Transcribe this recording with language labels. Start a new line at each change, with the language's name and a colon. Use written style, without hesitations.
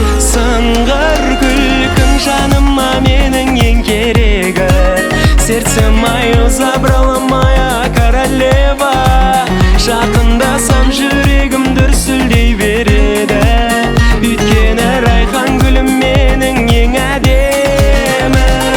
Kazakh: Сыңғыр күлкін жаныма керегі.
Russian: Сердце мое забрала моя королева.
Kazakh: Жақындасам жүрегім дүрсілдей береді. Үйткені райхан гүлім менің ең әдемі.